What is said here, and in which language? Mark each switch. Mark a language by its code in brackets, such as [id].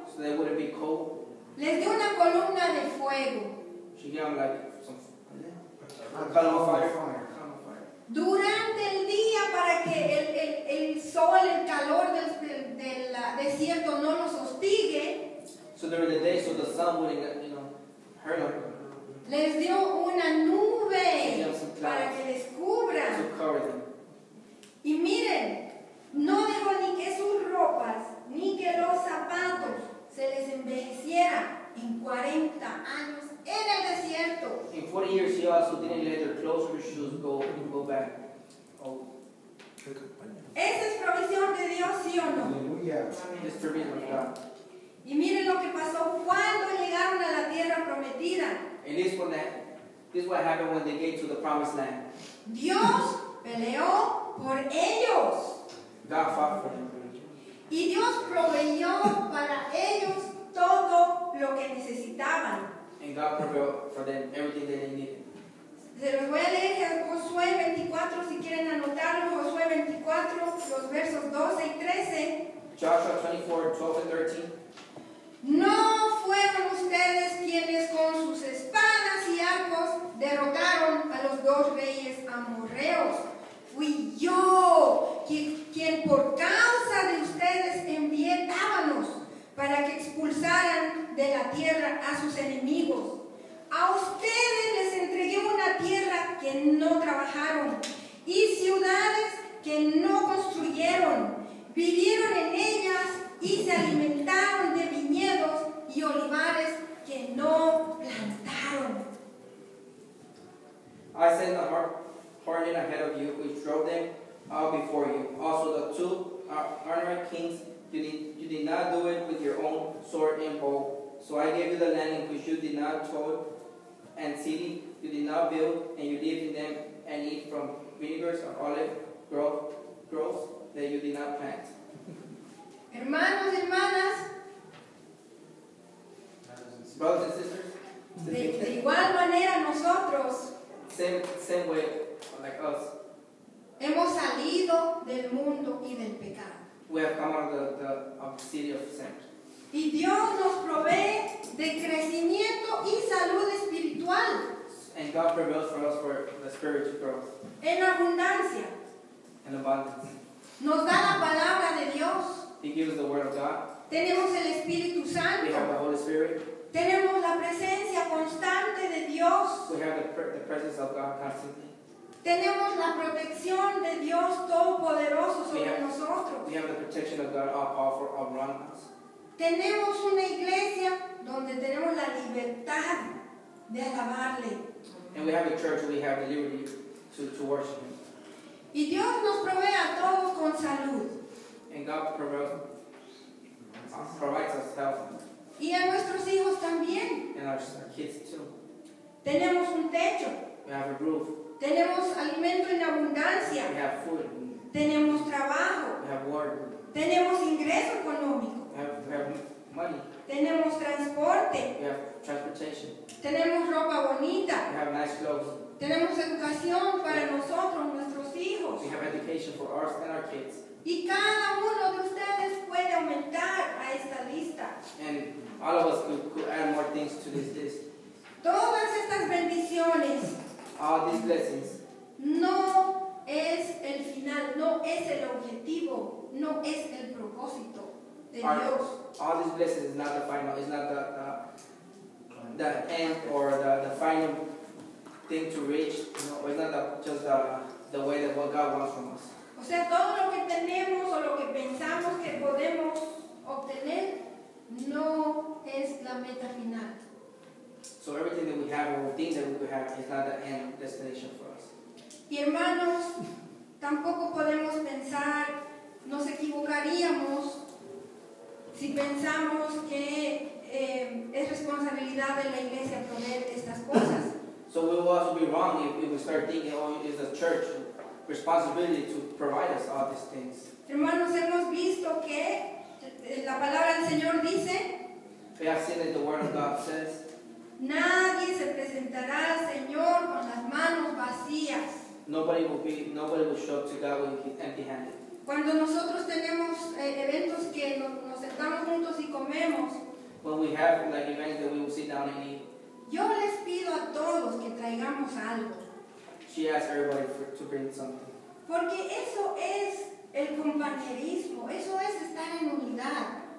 [en] so they wouldn't be cold, [es] les dio una columna de fuego. [en] She gave them like some A fire. [es] Durante el día para que el sol, el calor del desierto no los hostigue. [en] So during the day, so the sun wouldn't, hurt them. [es] Les dio una nube para que descubran. [en] To cover them. [es] Y miren, no dejó ni que sus ropas ni que los zapatos se les envejecieran en 40 años. En el desierto. [en] In 40 years, he also didn't let their clothes or shoes go back. Oh. [es] Esa es provisión de Dios, ¿sí o no? [en] It's provision of God. [es] Y miren lo que pasó cuando llegaron a la tierra prometida. [en] And this is what happened when they get to the promised land. [es] Dios peleó por ellos. [en] God fought for them. [es] Y Dios proveyó para ellos todo lo que necesitaban. [en] And God provided for them everything that they needed. [es] Se los voy a leer en Josué 24, si quieren anotarlo, Josué 24, los versos 12 y 13. [en] Joshua 24, 12 and 13. [es] No fueron ustedes quienes con sus espadas y arcos derrotaron a los dos reyes amorreos. Fui yo quien por causa de ustedes envié tábanos para que expulsaran de la tierra a sus enemigos. A ustedes les entregué una tierra que no trabajaron y ciudades que no construyeron. Vivieron en ellas y se alimentaron de viñedos y olivares que no plantaron. [en] I sent the hornet ahead of you, which drove them out before you. Also the two Amorite kings, you did not do it with your own sword and bow. So I gave you the land in which you did not toil, and city you did not build, and you lived in them and eat from vinegars or olive groves that you did not plant. [es] Hermanos y hermanas, [en] brothers and sisters, [es] de igual manera nosotros, [en] same way, like us, [es] hemos salido del mundo y del pecado. [en] We have come out of the city of sin. [es] Y Dios nos provee de crecimiento y salud espiritual. [en] And God provides for us for the spiritual growth. [es] En abundancia. [en] In abundance. [es] Nos da la palabra de Dios. [en] He gives the word of God. [es] Tenemos el Espíritu Santo. [en] We have the Holy Spirit. [es] Tenemos la presencia constante de Dios. [en] We have the presence of God constantly. [es] Tenemos la protección de Dios Todopoderoso sobre nosotros. [en] We have the protection of God all powerful around us. [es] Tenemos una iglesia donde tenemos la libertad de alabarle. [en] And we have a church where we have the liberty to worship Him. [es] Y Dios nos provee a todos con salud. [en] And God provides us health. [es] Y a nuestros hijos también. [en] And our kids too. [es] Tenemos un techo. [en] We have a roof. [es] Tenemos alimento en abundancia. [en] We have food. [es] Tenemos trabajo. [en] We have work. [es] Tenemos ingreso económico. [en] We have money. [es] Tenemos transporte. [en] We have transportation. [es] Tenemos ropa bonita. [en] We have nice clothes. [es] Tenemos educación para nosotros, nuestros hijos. [en] We have education for us and our kids. [es] Y cada uno de ustedes puede aumentar a esta lista. [en] And all of us could add more things to this list. [es] Todas estas bendiciones. [en] All these blessings. [es] No es el final, no es el objetivo, no es el propósito de Dios. [en] All these blessings is not the final, it's not the end or the final thing to reach. No, it's not just the way that what God wants from us. [es] O sea, todo lo que tenemos o lo que pensamos que podemos obtener no es la meta final. [en] So everything that we have or things that we could have is not the end destination for us. [es] Y hermanos, tampoco podemos pensar, nos equivocaríamos si pensamos que es responsabilidad de la iglesia proveer estas cosas. [en] So we will also be wrong if we start thinking, oh, it's the church responsibility to provide us all these things. [es] Hermanos, hemos visto que la palabra del Señor dice, [en] we have seen that the word of God says, [es] nadie se presentará al Señor con las manos vacías. [en] Nobody will show up to God with empty handed. [es] Cuando nosotros tenemos eventos que nos sentamos juntos y comemos, [en] when we have like events that we will sit down and eat, [es] yo les pido a todos que traigamos algo. [en] She asks everybody to bring something. [es] Porque eso es el compañerismo, eso es estar en unidad.